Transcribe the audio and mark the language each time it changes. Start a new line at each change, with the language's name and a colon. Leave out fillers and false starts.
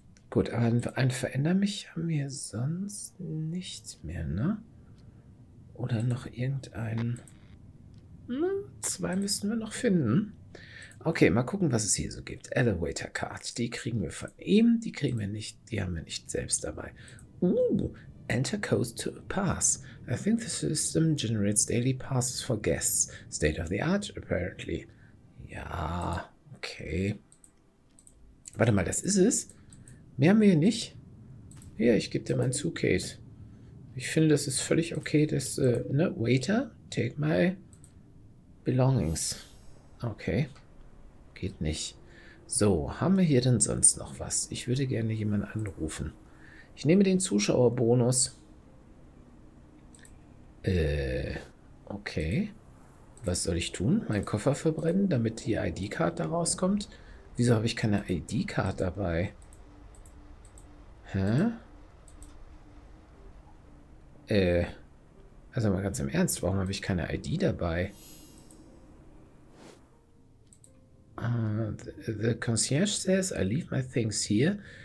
German: Gut, aber ein Veränder-Mich haben wir sonst nicht mehr, ne? Oder noch irgendein... zwei müssen wir noch finden. Okay, mal gucken, was es hier so gibt. Elevator Card, die kriegen wir von ihm. Die kriegen wir nicht, die haben wir nicht selbst dabei.
English: Enter code to pass. I think the system generates daily passes for guests. State of the art, apparently.
German: Ja, okay. Warte mal, das ist es? Mehr haben wir hier nicht? Hier, ich gebe dir mein Zugcase. Ich finde, das ist völlig okay, dass,
English: Waiter, take my belongings.
German: Okay. Geht nicht. So, haben wir hier denn sonst noch was? Ich würde gerne jemanden anrufen. Ich nehme den Zuschauerbonus. Okay. Was soll ich tun? Meinen Koffer verbrennen, damit die ID-Card da rauskommt? Wieso habe ich keine ID-Card dabei? Hä? Also mal ganz im Ernst, warum habe ich keine ID dabei?
English: The concierge says I leave my things here.